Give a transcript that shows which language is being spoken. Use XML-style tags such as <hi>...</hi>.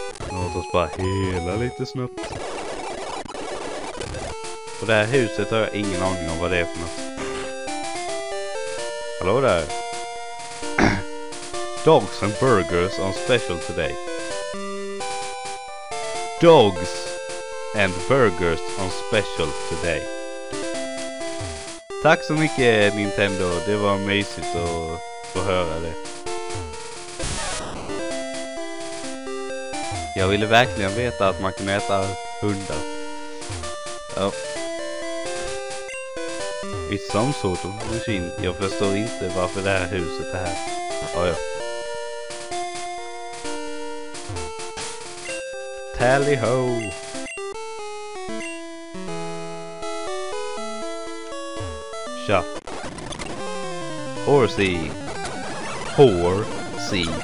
<sv>Låt oss bara hela lite snabbt. Och det här huset har jag ingen aning om vad det är för något. Hallå där.</sv> <en>Dogs and burgers on special today. Dogs and burgers on special today.</en> <sv>Tack så mycket Nintendo, det var mysigt att få höra det. Jag ville verkligen veta att man kunde äta hundar.</sv> <en>Ja. I some sort of machine.</en> <sv>Jag förstår inte varför det här huset är här. Ja.</sv> <en>Tally ho! Tja! Horsey! Horsey!</en>